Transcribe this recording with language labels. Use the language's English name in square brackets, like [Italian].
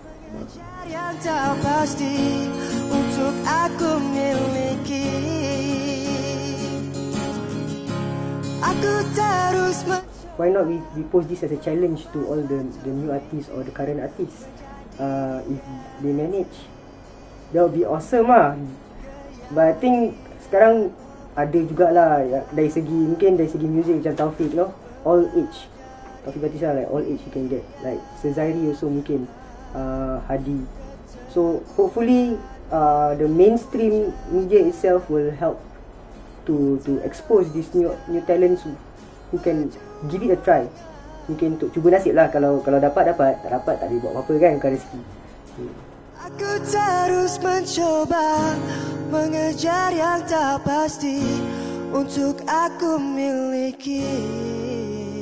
[Indonesian] Mencari yang tak pasti untuk aku miliki. Aku terus. [English] Why not we post this as a challenge to all the new artists or the current artists? If they manage, that would be awesome lah. But I think [Malay] sekarang ada jugalah dari segi, mungkin dari segi music macam Taufik, [English] you know, all age. Taufik Batisah, like all age you can get. Like Sezairi also mungkin, Hadi. So hopefully the mainstream media itself will help to expose this new talents who can give it a try. [Malay] Mungkin untuk cuba nasib lah, kalau dapat, tak dapat tak boleh buat apa-apa kan, bukan rezeki. [Indonesian] Aku terus mencoba mengejar yang tak pasti untuk aku miliki.